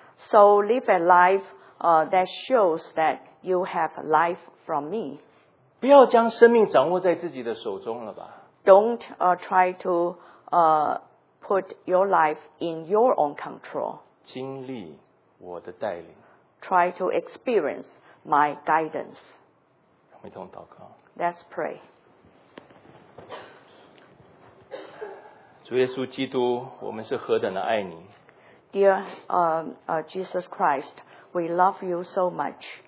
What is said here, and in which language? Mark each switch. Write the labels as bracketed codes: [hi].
[en] So live a life that shows that you have life from me. [zh] 不要将生命掌握在自己的手中了吧。 [en] Don't try to put your life in your own control. [zh] 经历我的带领。 [en] Try to experience my guidance. [zh] 我们一同祷告。 [en] Let's pray. [zh] 主耶稣基督，我们是何等的爱你。 [en] Dear Jesus Christ, we love you so much.